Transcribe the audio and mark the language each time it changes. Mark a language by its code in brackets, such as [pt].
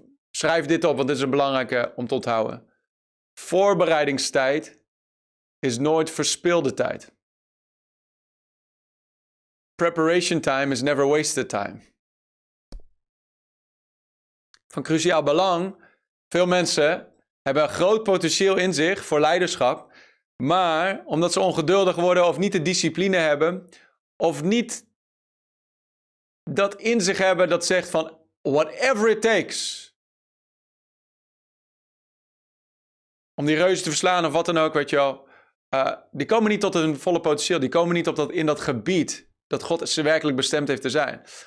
[nl] Schrijf dit op, want dit is een belangrijke om te onthouden. Voorbereidingstijd is nooit verspilde tijd. [en] Preparation time is never wasted time. [nl] Van cruciaal belang, veel mensen hebben een groot potentieel in zich voor leiderschap, maar omdat ze ongeduldig worden of niet de discipline hebben, of niet dat in zich hebben dat zegt van [en] whatever it takes [nl] om die reuzen te verslaan of wat dan ook, weet je wel, die komen niet tot hun volle potentieel, die komen niet in dat gebied dat God ze werkelijk bestemd heeft te zijn.